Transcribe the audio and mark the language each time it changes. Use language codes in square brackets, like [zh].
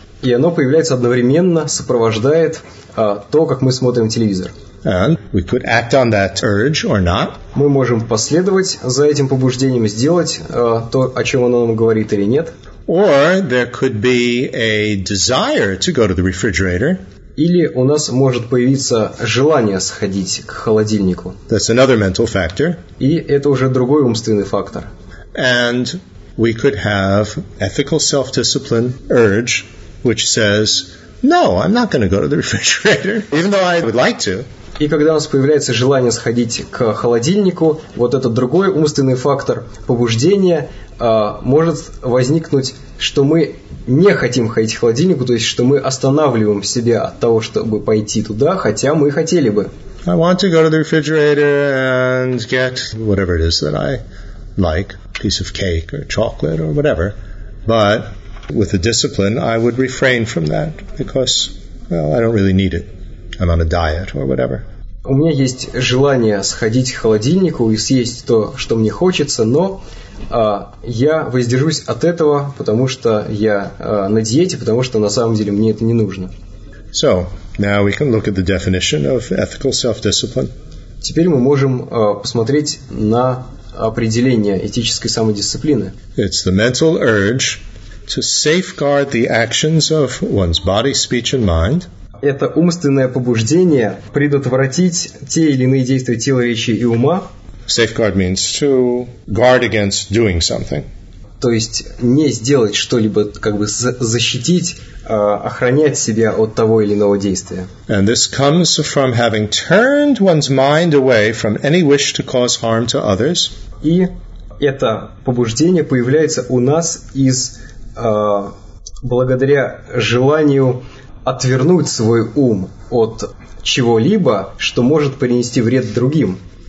[ru] И оно появляется одновременно, сопровождает то, как мы смотрим телевизор. [en] And we could act on that urge or not. [ru] Мы можем последовать за этим побуждением, сделать то, о чем оно нам говорит, или нет. [en] Or there could be a desire to go to the refrigerator. [ru] Или у нас может появиться желание сходить к холодильнику. [en] That's another mental factor. [ru] И это уже другой умственный фактор. [en] And we could have ethical self-discipline urge, which says, no, I'm not going to go to the refrigerator, even though I would like to. [ru] И когда у нас появляется желание сходить к холодильнику, вот этот другой умственный фактор побуждения может возникнуть, что мы не хотим ходить к холодильнику, то есть что мы останавливаем себя от того, чтобы пойти туда, хотя мы хотели бы. [en] I want to go to the refrigerator and get whatever it is that I like, piece of cake or chocolate or whatever, but with the discipline, I would refrain from that because, well, I don't really need it. I'm on a diet or whatever. [ru] У меня есть желание сходить к холодильнику и съесть то, что мне хочется, но я воздержусь от этого, потому что я на диете, потому что на самом деле мне это не нужно. [en] So, now we can look at the definition of ethical self-discipline. [ru] Теперь мы можем посмотреть на определение этической самодисциплины. [en] It's the mental urge to safeguard the actions of one's body, speech, and mind. [ru] Это умственное побуждение предотвратить те или иные действия тела, речи и ума. [en] Safeguard means to guard against doing something. [ru] То есть не сделать что-либо, как бы защитить, охранять себя от того или иного действия. [en] And this comes from having turned one's mind away from any wish to cause harm to others. [ru] И это побуждение появляется у нас из благодаря желанию отвернуть свой ум от чего-либо, что может принести вред другим.